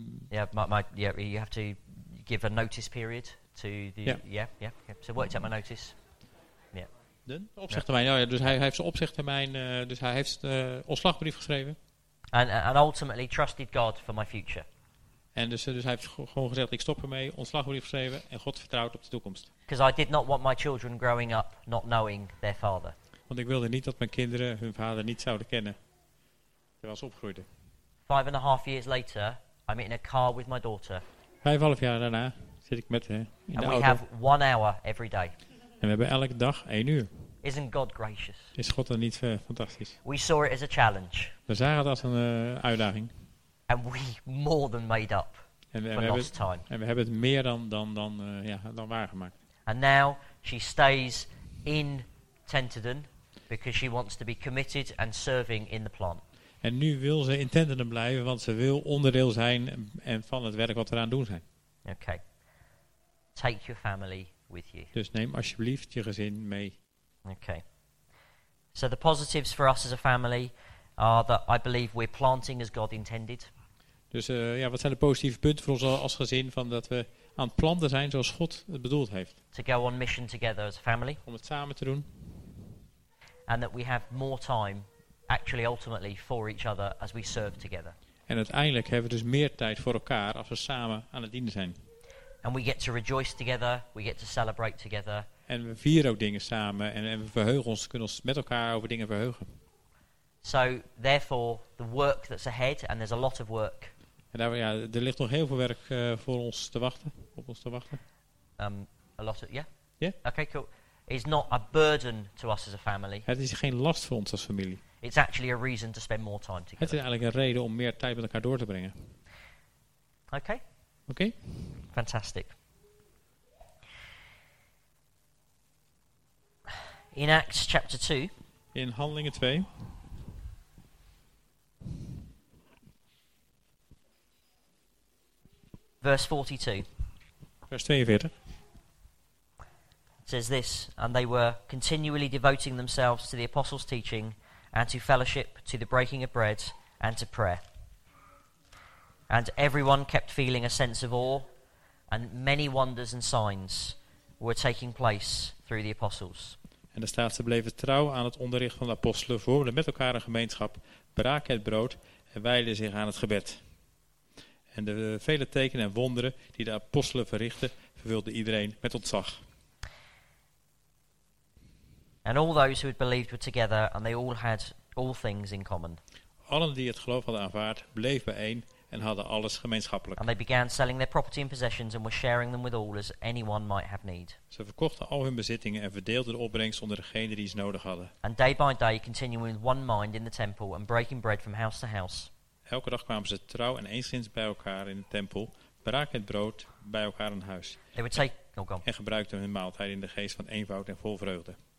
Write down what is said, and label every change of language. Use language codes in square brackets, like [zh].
[en] You have to give a notice period to the. So I worked out my notice. [nl] Opzegtermijn. Ja. Oh ja, dus hij heeft zijn opzegtermijn, dus hij heeft de ontslagbrief geschreven. [en] And ultimately trusted God for my future. [nl] En dus hij heeft gewoon gezegd, ik stop ermee, ontslagbrief geschreven en God vertrouwt op de toekomst. [en] Because I did not want my children growing up not knowing their father. [nl] Want ik wilde niet dat mijn kinderen hun vader niet zouden kennen, terwijl ze opgroeiden. [en] 5.5 years later, I'm in a car with my daughter. [nl] 5.5 jaar daarna zit ik met haar in [en] and [nl] de auto. [en] And we have 1 hour every day. [nl] En we hebben elke dag 1 uur. [en] Isn't God gracious? [nl] Is God dan niet fantastisch? [en] We saw it as a challenge. [nl] We zagen het als een uitdaging. [en] And we more than made up for lost time. [nl] En we hebben het meer dan waargemaakt. [en] And now she stays in Tenterden because she wants to be committed and serving in the plant. [nl] En nu wil ze in Tenterden blijven, want ze wil onderdeel zijn en van het werk wat we eraan doen zijn. [en] Okay. Take your family with you. [nl] Dus neem alsjeblieft je gezin mee. [en] Okay. So the positives for us as a family are that I believe we're planting as God intended. [nl] Dus ja, wat zijn de positieve punten voor ons als gezin van dat we aan het planten zijn zoals God het bedoeld heeft? [en] To go on mission together as a family. [nl] Om het samen te doen. [en] And that we have more time, actually ultimately, for each other as we serve together. [nl] En uiteindelijk hebben we dus meer tijd voor elkaar als we samen aan het dienen zijn. [en] And we get to rejoice together, we get to celebrate together. [nl] En we vieren ook dingen samen en we verheugen ons, kunnen ons met elkaar over dingen verheugen. [en] So therefore the work that's ahead, and there's a lot of work. [nl] En daar, ja, er ligt nog heel veel werk voor ons te wachten, op ons te wachten. [en] A lot of, yeah? Yeah? Okay, cool. It's not a burden to us as a family. [nl] Het is geen last voor ons als familie. [en] It's actually a reason to spend more time together. [nl] Het is eigenlijk een reden om meer tijd met elkaar door te brengen. [en] Okay. Okay. Fantastic. In Acts chapter 2. [nl] In Handelingen 2. [en] Verse 42. [nl] Vers 42. [en] Says this, and they were continually devoting themselves to the apostles' teaching and to fellowship, to the breaking of bread and to prayer. And everyone kept feeling a sense of awe, and many wonders and signs were taking place through the apostles. [nl] En er staat, ze bleven trouw aan het onderricht van de apostelen, vormden met elkaar een gemeenschap, braken het brood en wijden zich aan het gebed. En de vele tekenen en wonderen die de apostelen verrichtten, vervulden iedereen met ontzag. [en] And all those who had believed were together, and they all had all things in common. [nl] Allen die het geloof hadden aanvaard, bleef bijeen en hadden alles gemeenschappelijk. [en] And they began selling their property and possessions and were sharing them with all as anyone might have need. [nl] Ze verkochten al hun bezittingen en verdeelden de opbrengst onder degenen die ze nodig hadden. [en] And day by day, continuing with one mind in the temple and breaking bread from house to house. [nl] Elke dag kwamen ze trouw en eensgezind bij elkaar in de tempel, braken het brood bij elkaar in huis. [en] They would take, oh God. [nl] En gebruikten hun maaltijd in de geest van eenvoud en vol vreugde.